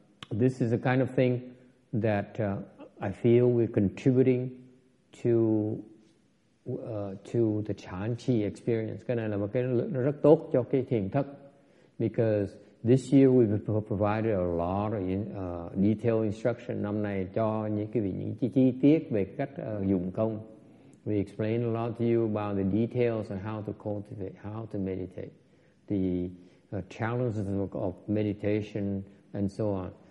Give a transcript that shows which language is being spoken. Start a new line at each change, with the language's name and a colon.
English: This is the kind of thing that I feel we're contributing to the Chan Chi experience.
Vietnamese: Cái này là một cái rất tốt cho cái thiền thất.
English: Because this year we've provided a lot of detailed instruction.
Vietnamese: Năm nay cho những cái vị những chi tiết về cách dụng công.
English: We explained a lot to you about the details and how to cultivate, how to meditate, the challenges of meditation and so on.